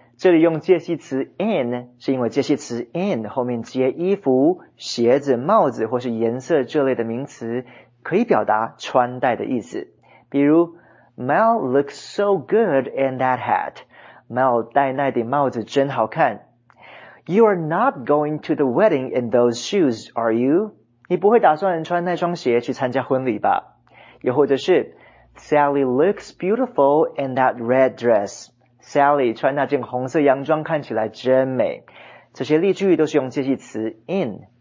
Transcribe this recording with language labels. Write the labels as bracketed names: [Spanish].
[Chinese] 这里用介系词 in 是因为介系词 in 后面接衣服、鞋子、帽子或是颜色这类的名词，可以表达穿戴的意思。比如 [English] Mel looks so good in that hat. [Chinese] Mel 戴那顶帽子真好看。 [English] You are not going to the wedding in those shoes, are you? [Chinese] 你不会打算穿那双鞋去参加婚礼吧？又或者是 [English] Sally looks beautiful in that red dress. [Chinese] Sally 穿那件红色洋装看起来真美。这些例句都是用介系词 in。